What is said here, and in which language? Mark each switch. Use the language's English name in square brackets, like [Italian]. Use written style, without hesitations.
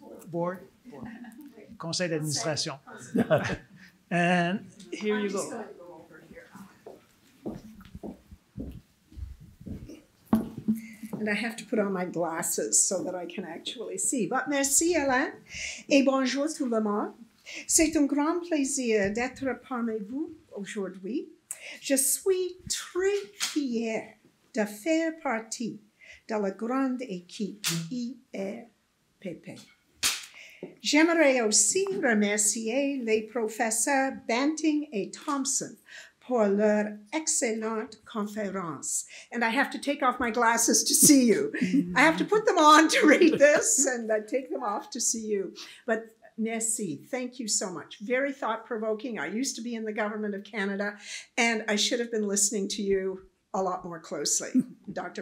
[English] Board. [French] Conseil d'administration. [English] And here you go. And I have to put on my glasses so that I can actually see. [French] But merci, Alain. Et bonjour tout le monde. C'est un grand plaisir d'être parmi vous aujourd'hui. Je suis très fier de faire partie de la grande équipe IRPP. J'aimerais aussi remercier les professeurs Banting et Thompson pour leur excellente conférence. [English] And I have to take off my glasses to see you. I have to put them on to read this and I take them off to see you. But merci. Thank you so much. Very thought-provoking. I used to be in the government of Canada, and I should have been listening to you a lot more closely. Dr.